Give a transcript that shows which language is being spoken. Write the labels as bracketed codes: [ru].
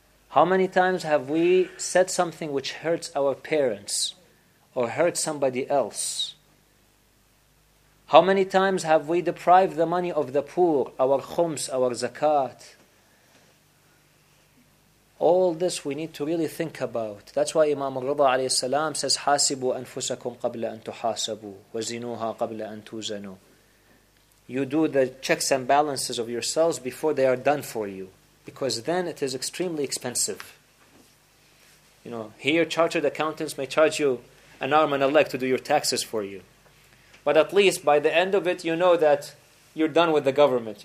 [en] How many times have we said something which hurts our parents or hurts somebody else? How many times have we deprived the money of the poor, our khums, our zakat? All this we need to really think about. That's why Imam al-Ridha alayhi salam says, [ar] حاسبوا أنفسكم قبل أن تحاسبوا وزنوها قبل أن توزنوا. [en] You do the checks and balances of yourselves before they are done for you. Because then it is extremely expensive. You know, here chartered accountants may charge you an arm and a leg to do your taxes for you. But at least by the end of it, you know that you're done with the government.